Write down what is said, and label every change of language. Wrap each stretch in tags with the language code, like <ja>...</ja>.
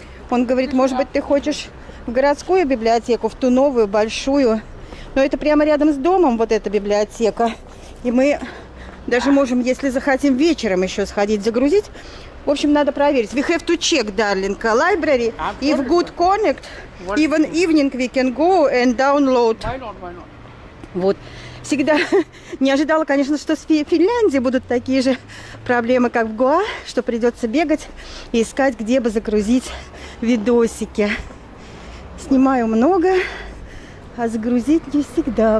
<ru>Он говорит, может быть, ты хочешь в городскую библиотеку, в ту новую, большую. Но это прямо рядом с домом, вот эта библиотека. И мы даже можем, если захотим, вечером еще сходить загрузить. В общем, надо проверить.</ru> <en>We have to check, darling, library. If good connect, even evening we can go and download. Why not? Вот.</en> <ru>Всегда не ожидала, конечно, что в Финляндии будут такие же проблемы, как в ГУА, что придется бегать и искать, где бы загрузить видосики. Снимаю много, а загрузить не всегда.</ru>